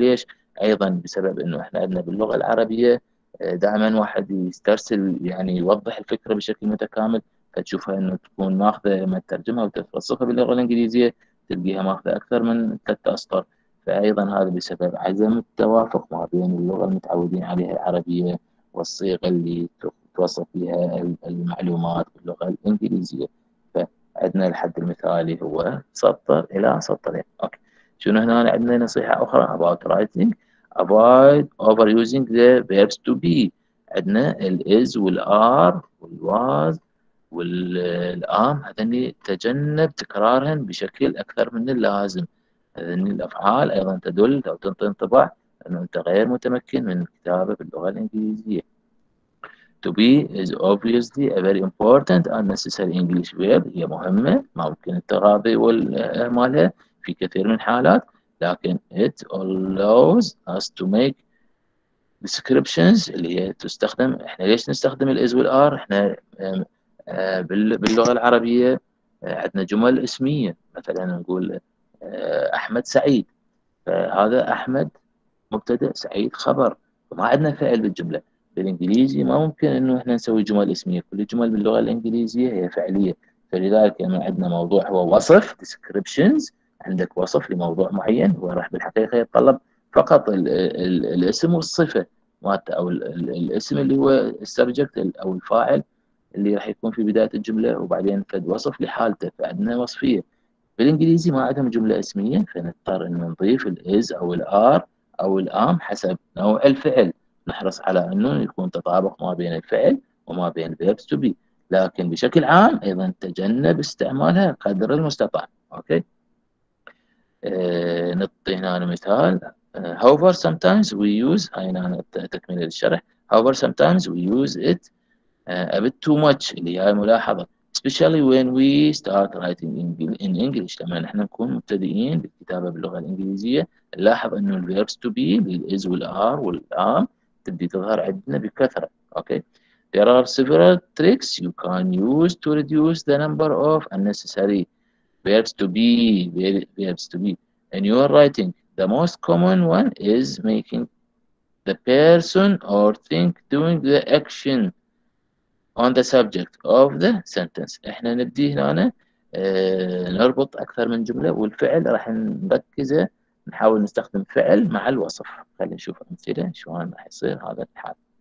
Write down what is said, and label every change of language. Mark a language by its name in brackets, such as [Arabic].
[Arabic] ليش؟ ايضا بسبب انه احنا عندنا باللغة العربية دائما واحد يسترسل يعني يوضح الفكرة بشكل متكامل، فتشوفها انه تكون ماخذة لما تترجمها وتفصلها باللغة الانجليزية تلقيها ماخذة اكثر من 3 اسطر. فأيضا هذا بسبب عدم التوافق ما بين اللغة المتعودين عليها العربية والصيغة اللي توصف بها المعلومات باللغة الإنجليزية. فعندنا الحد المثالي هو سطر إلى سطرين. أوكي. شنو هنا عندنا نصيحة أخرى [English] about writing؟ avoid overusing the verbs to be. [Arabic] عندنا ال is وال are وال was وال am، هذني تجنب تكرارهن بشكل أكثر من اللازم. لأن الأفعال أيضا تدل أو تنطي انطباع أنه أنت غير متمكن من الكتابة باللغة الإنجليزية. [English] To be is obviously a very important and necessary English verb، [Arabic] هي مهمة ممكن التغاضي والإهمالها في كثير من الحالات، لكن [English] it allows us to make descriptions [Arabic] اللي هي تستخدم. إحنا ليش نستخدم الـ is والـ are؟ إحنا باللغة العربية عندنا جمل اسمية، مثلا نقول أحمد سعيد، فهذا أحمد ما مبتدا سعيد خبر، وما عندنا فعل بالجمله. بالانجليزي ما ممكن انه احنا نسوي جمل اسميه، كل الجمل باللغه الانجليزيه هي فعليه. فلذلك يعني عندنا موضوع هو وصف descriptions، عندك وصف لموضوع معين، وراح بالحقيقه يتطلب فقط الاسم والصفه او الاسم اللي هو السبجكت او الفاعل اللي راح يكون في بدايه الجمله، وبعدين فد وصف لحالته. فعندنا وصفيه. بالانجليزي ما عندهم جمله اسميه، فنضطر ان نضيف الاز او الار او الام حسب نوع الفعل. نحرص على انه يكون تطابق ما بين الفعل وما بين verbs to be، لكن بشكل عام ايضا تجنب استعمالها قدر المستطاع. اوكي، نعطي هنا مثال. [English] however sometimes we use، [Arabic] هاي هنا تكمله للشرح. [English] however sometimes we use it a bit too much، [Arabic] اللي هي ملاحظه، [English] especially when we start writing in English، [Arabic] لما نحن نكون مبتدئين بالكتابه باللغه الانجليزيه. نلاحظ انه ال verbs to be بال is وال are وال am تبدي تظهر عندنا بكثره. [English] Okay, there are several tricks you can use to reduce the number of unnecessary verbs to be in your writing. The most common one is making the person or thing doing the action on the subject of the sentence. [Arabic] احنا نبدي هنا نربط اكثر من جمله، والفعل راح نركزه، نحاول نستخدم فعل مع الوصف. خلينا نشوف امثله شلون راح يصير هذا الحال.